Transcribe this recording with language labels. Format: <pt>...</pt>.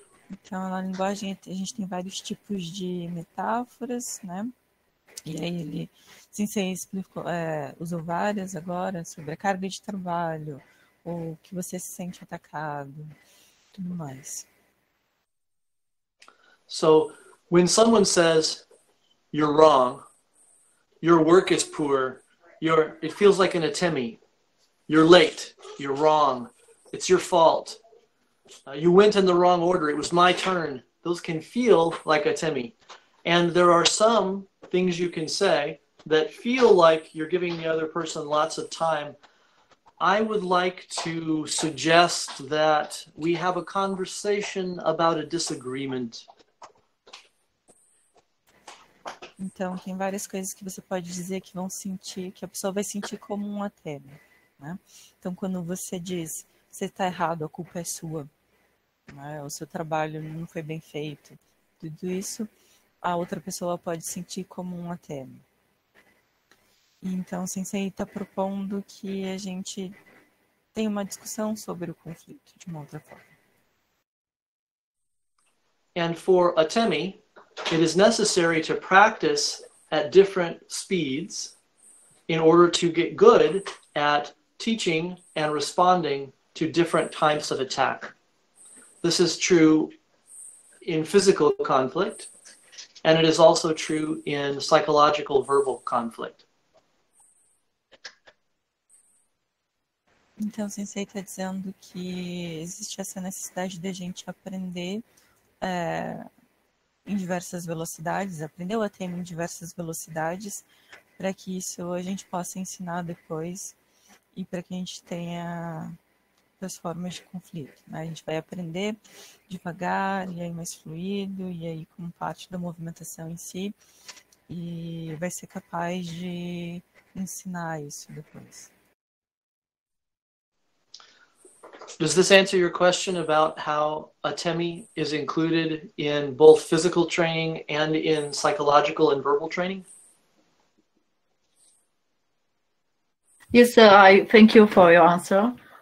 <pt>Então, na linguagem, a gente tem vários tipos de metáforas, né? E aí ele, Sensei explicou, usou várias agora sobre a carga de trabalho, o que você se sente atacado, tudo mais.</pt> <en>So when someone says you're wrong, your work is poor, it feels like an atemi, you're late, you're wrong, it's your fault, you went in the wrong order, it was my turn, those can feel like atemi. And there are some things you can say that feel like you're giving the other person lots of time. I would like to suggest that we have a conversation about a disagreement.</en> <pt>Então, tem várias coisas que você pode dizer que vão sentir, que a pessoa vai sentir como um atemi, né? Então, quando você diz, você está errado, a culpa é sua, né? O seu trabalho não foi bem feito, tudo isso, a outra pessoa pode sentir como um atemi. Então, o Sensei está propondo que a gente tenha uma discussão sobre o conflito, de uma outra forma.</pt> <en>And for atemi, it is necessary to practice at different speeds in order to get good at teaching and responding to different types of attack. This is true in physical conflict, and it is also true in psychological verbal conflict.</en> <pt>Então, o Sensei está dizendo que existe essa necessidade de a gente aprender em diversas velocidades, aprendeu a ter em diversas velocidades, para que isso a gente possa ensinar depois e para que a gente tenha as formas de conflito. Né? A gente vai aprender devagar e aí mais fluido e aí como parte da movimentação em si e vai ser capaz de ensinar isso depois.</pt> <en>Does this answer your question about how Atemi is included in both physical training and in psychological and verbal training? Yes, I thank you for your answer.</en>